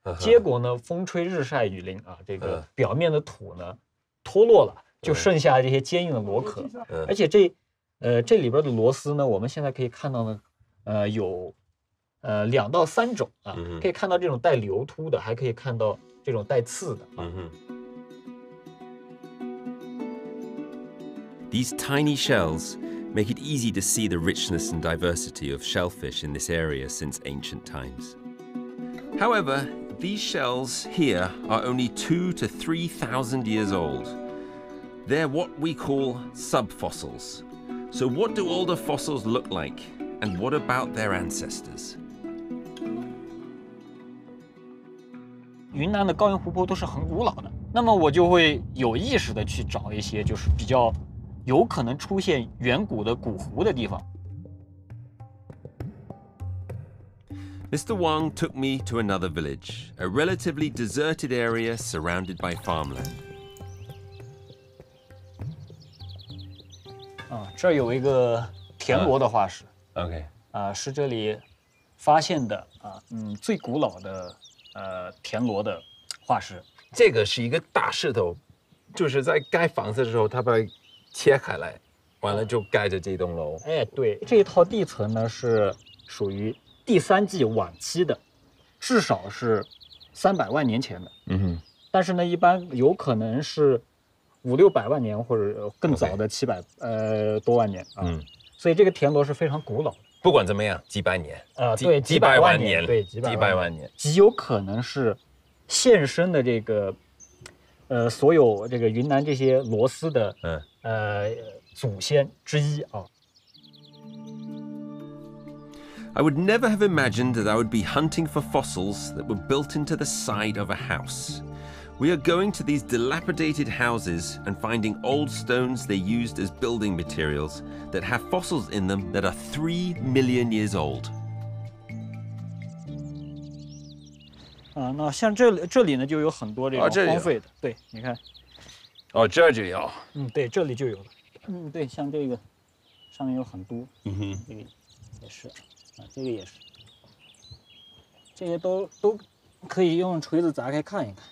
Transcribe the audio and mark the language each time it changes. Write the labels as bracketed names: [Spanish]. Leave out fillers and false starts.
[Chinese] 结果呢，风吹日晒雨淋啊，这个表面的土呢脱落了，就剩下这些坚硬的螺壳。而且这这里边的螺丝呢，我们现在可以看到呢，有两到三种啊，可以看到这种带流突的，还可以看到这种带刺的、啊。嗯哼。 [English] These tiny shells make it easy to see the richness and diversity of shellfish in this area since ancient times. However, these shells here are only 2,000 to 3,000 years old. They're what we call subfossils. So what do older fossils look like, and what about their ancestors? [Chinese] 云南的高原湖泊都是很古老的，那么我就会有意识的去找一些就是比较有可能出现远古的古湖的地方。 [English] Mr. Wang took me to another village, a relatively deserted area surrounded by farmland. [Chinese] 啊，这有一个田螺的化石。 OK。啊，是这里发现的啊，最古老的田螺的化石。这个是一个大石头，就是在盖房子的时候，他把切开来，完了就盖着这栋楼。哎，对，这一套地层呢是属于第三纪晚期的，至少是300万年前的。嗯哼。但是呢，一般有可能是500,000-600,000年或者更早的700多万年啊。嗯。所以这个田螺是非常古老的。不管怎么样，几百年。对，几百万年。对，几百万年。极有可能是现身的这个，所有这个云南这些螺丝的，祖先之一啊。 [English] I would never have imagined that I would be hunting for fossils that were built into the side of a house. We are going to these dilapidated houses and finding old stones they used as building materials that have fossils in them that are 3 million years old. [Chinese] 啊，那像这里呢就有很多这种荒废的，对，你看。哦，这就有。对，这里就有了。对，像这个上面有很多。嗯哼，这个也是。这个也是，这些都可以用锤子砸开看一看。